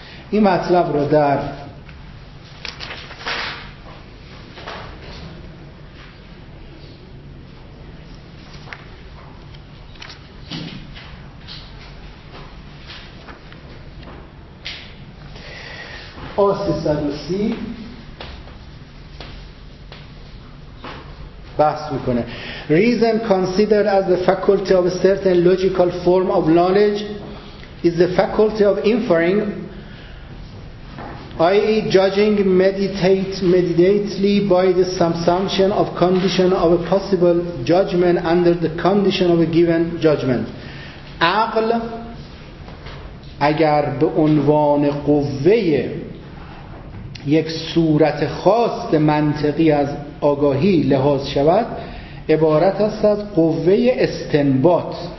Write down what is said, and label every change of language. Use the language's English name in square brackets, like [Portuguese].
[Persian] این مطلب رو در آ330 بحث میکنه. [English] Reason considered as the faculty of a certain logical form of knowledge is the faculty of inferring, i.e. judging meditatively by the subsumption of condition of a possible judgment under the condition of a given judgment. [Persian] عقل اگر به عنوان قوه یک صورت خاص منطقی از آگاهی لحاظ شود، عبارت است از قوه استنباط.